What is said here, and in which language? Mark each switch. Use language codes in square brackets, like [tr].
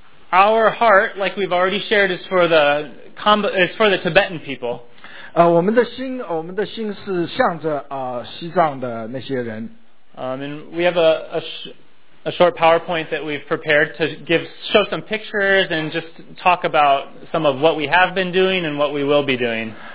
[en] Our heart, like we've already shared, is for the Tibetan people. [zh] 我们的心是向着西藏的那些人。 [en] And we have a short PowerPoint that we've prepared to show some pictures and just talk about some of what we have been doing and what we will be doing.